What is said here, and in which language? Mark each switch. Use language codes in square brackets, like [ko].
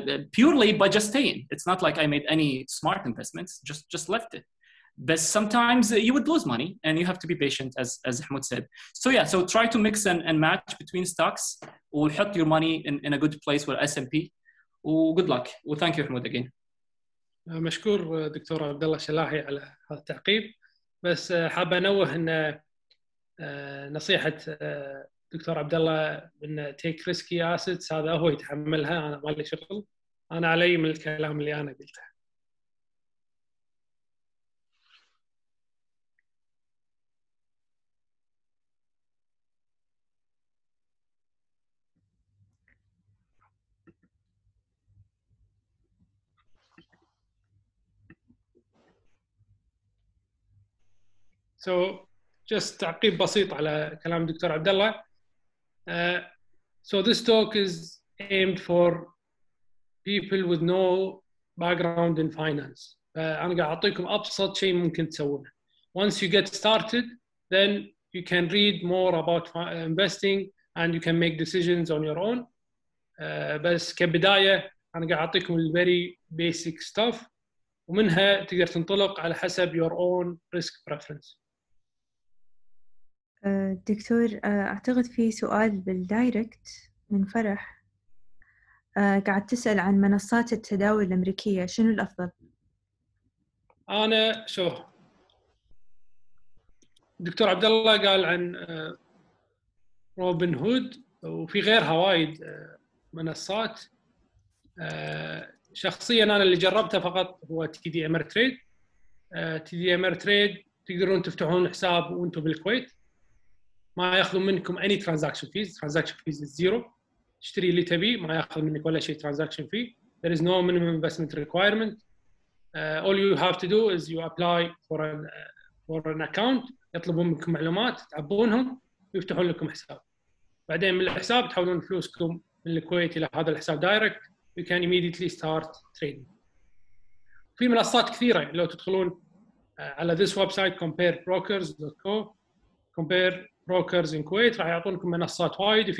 [en] Purely by just staying. It's not like I made any smart investments, just left it. But sometimes you would lose money and you have to be patient, as Ahmed said. So yeah, so try to mix and match between stocks or put your money in a good place with S&P. Well, good luck. Well, thank you, Ahmed, again. [ar] مشكور دكتور عبد الله شلاحي على هذا التعقيب. بس حاب انوه ان نصيحة دكتور عبد الله ان تيك ريسكي اسيتس هذا هو يتحملها, انا مالي شغل, انا علي من الكلام اللي انا قلته. [en] So just [ar] تعقيب بسيط على كلام دكتور عبد الله. [en] So this talk is aimed for people with no background in finance. I'm going to give you the most simple thing you can do. Once you get started, then you can read more about investing and you can make decisions on your own. But as a beginner, [ar] أنا قاعد أعطيكم الـ [en] very basic stuff، [ar] ومنها تقدر تنطلق على حسب [en] your own risk preference. [ar] دكتور أعتقد في سؤال بالدايركت من فرح، قاعد تسأل عن منصات التداول الأمريكية، شنو الأفضل؟ أنا شو دكتور عبد الله قال عن روبن هود، وفي غيرها وايد منصات. شخصيا أنا اللي جربتها فقط هو تي دي أمر تريد. تي دي أمر تريد تقدرون تفتحون حساب وأنتم بالكويت، ما يأخذون منكم أي ترانزاكشن فيز، ترانزاكشن فيز زيرو، تشتري اللي تبي ما يأخذ منك ولا شيء ترانزاكشن في. [en] There is no minimum investment requirement. All you have to do is you apply for an account. [ar] يطلبون منكم معلومات، تعبونهم ويفتحون لكم حساب. بعدين من الحساب تحولون فلوسكم من الكويت إلى هذا الحساب دايركت. [en] You can immediately start trading. [ar] في منصات كثيرة، لو تدخلون على [en] this website comparebrokers.co compare brokers in Kuwait [ar] راح يعطونكم منصات وايد.